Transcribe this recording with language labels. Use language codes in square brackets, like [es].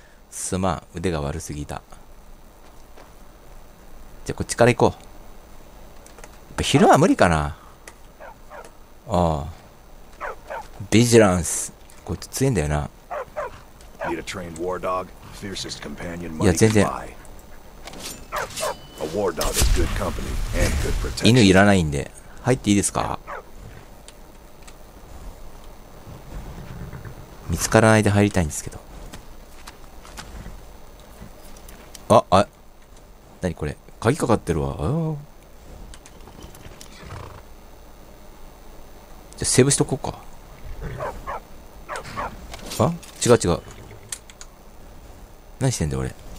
[ja] すまん、腕が悪すぎた。じゃあこっちから行こう。やっぱ昼は無理かな。ああ、ビジランス、こいつ強いんだよな。 [en] Need a trained war dog. Fiercest companion. [ja] いや全然。 [en] A war dog is good company and good protection. [ja] 犬いらないんで、入っていいですか？見つからないで入りたいんですけど。あ、あ、なにこれ？鍵かかってるわ。じゃあセーブしとこうか。あ、違う違う。何してんだよ俺。